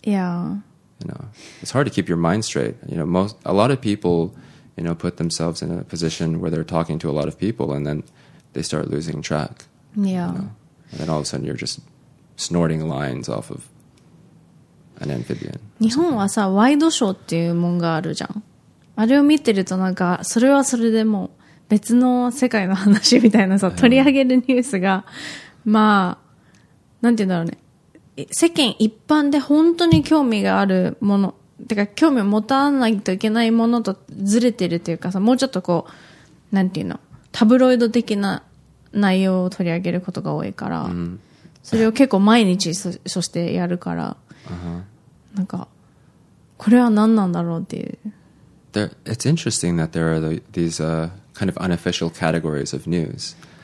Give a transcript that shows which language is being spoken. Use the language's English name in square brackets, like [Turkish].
[English] Yeah. You know, it's hard to keep your mind straight. You know, a lot of people, you know, put themselves in a position where they're talking to a lot of people and then they start losing track. Yeah. You know? And then all of a sudden you're just snorting lines off of an amphibian. [Japanese] 日本はさ、ワイドショーっていうもんがあるじゃん。あれを見てるとなんか、それはそれでも別の世界の話みたいなさ、取り上げるニュースが、まあ、なんて言うんだろうね。世間一般で本当に興味があるもの、てか興味を持たないといけないものとずれてるというかさ、もうちょっとこう、なんて言うの、タブロイド的な内容を取り上げることが多いから、それを結構毎日そしてやるから、なんか、これは何なんだろうっていう。 [English] It's interesting that there are these kind of unofficial categories of news.